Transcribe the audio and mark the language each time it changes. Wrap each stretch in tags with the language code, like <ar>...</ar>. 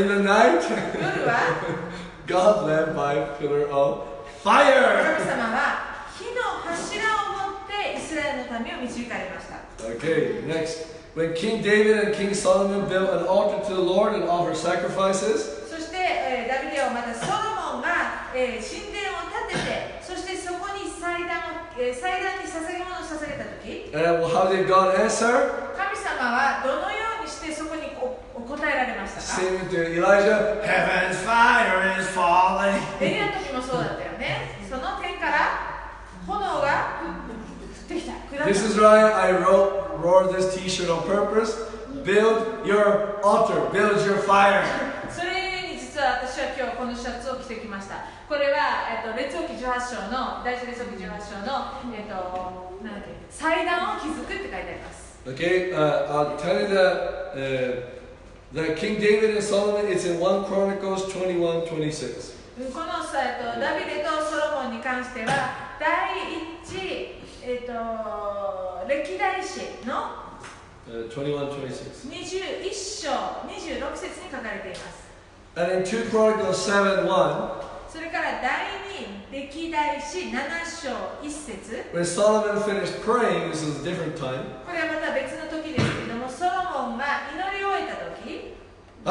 <en>in the night, God led by a pillar of fire.</en> <ja>神様は火の柱を持ってイスラエルの民を導かれました。</ja> <en>Okay, next. When King David and King Solomon built an altar to the Lord and offered sacrifices,</en> <ja>そしてダビデはまたソロモンが神殿を建てて、そしてそこに祭壇に捧げ物を捧げた時、</ja> <en>well, how did God answer?</en> <ja>神様はどのようにしてそこにお答えられましたか?</ja> <en>Same to Elijah, heaven's fire is falling.</en> <ja>エリアの時もそうだったよね。その点から炎が</ja> <en>This is why I wrote this t-shirt on purpose. Build your altar, build your fire.</en> <ja>それに実は私は今日このシャツを着てきました。これは列王記18章の第一列王記18章の祭壇を築くって書いてあります。</ja> <en>Okay, I'll tell you that the King David and Solomon is in 1 Chronicles 21:26.</en> <ja>このダビデとソロモンに関しては第一歴代史の21章26節に書かれています。</ja> <en>And in 2 Chronicles 7:1,</en> <ja>それから第二歴代史7章1節。</ja> <en>When Solomon finished praying, this is a different time.</en> <ja>これはまた別の時ですけども、ソロモンが祈り終えた時。</ja>